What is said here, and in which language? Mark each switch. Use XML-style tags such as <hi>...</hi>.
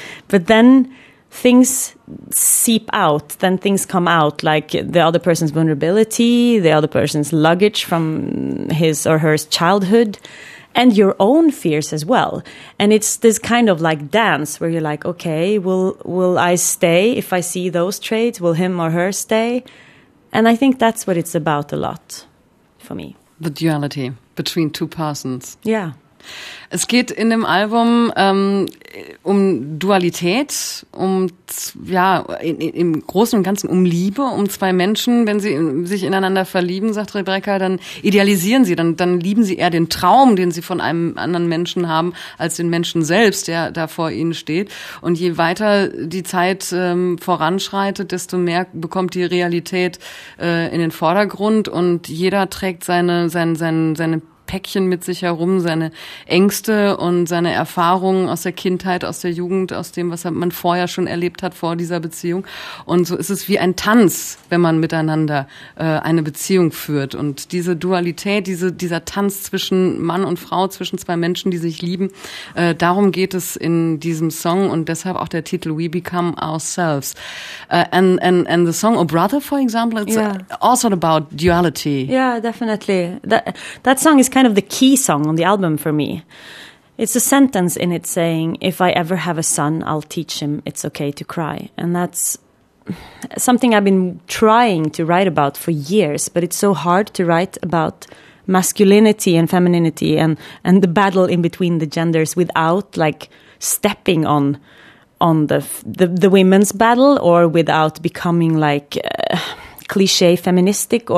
<en>But then things seep out, then things come out, like the other person's vulnerability, the other person's luggage from his or her childhood, and your own fears as well. And it's this kind of like dance where you're like, okay, will I stay if I see those traits? Will him or her stay? And I think that's what it's about a lot for me. The Duality Between Two Persons.</en> <de>Ja. Es geht in dem Album um Dualität, im Großen und Ganzen um Liebe, um zwei Menschen. Wenn sie sich ineinander verlieben, sagt Rebecca, dann idealisieren sie, dann lieben sie eher den Traum, den sie von einem anderen Menschen haben, als den Menschen selbst, der da vor ihnen steht. Und je weiter die Zeit voranschreitet, desto mehr bekommt die Realität in den Vordergrund und jeder trägt seine Päckchen mit sich herum, seine Ängste und seine Erfahrungen aus der Kindheit, aus der Jugend, aus dem, was man vorher schon erlebt hat vor dieser Beziehung. Und so ist es wie ein Tanz, wenn man miteinander eine Beziehung führt. Und diese Dualität, dieser Tanz zwischen Mann und Frau, zwischen zwei Menschen, die sich lieben, darum geht es in diesem Song und deshalb auch der Titel We Become Ourselves.</de> <en>And the song O Brother, for example, it's also about duality. Yeah, definitely. That song is kind of the key song on the album for me. It's a sentence in it saying, if I ever have a son, I'll teach him it's okay to cry. And that's something I've been trying to write about for years, but it's so hard to write about masculinity and femininity and the battle in between the genders without like stepping on the women's battle or without becoming like cliche feministic.</en>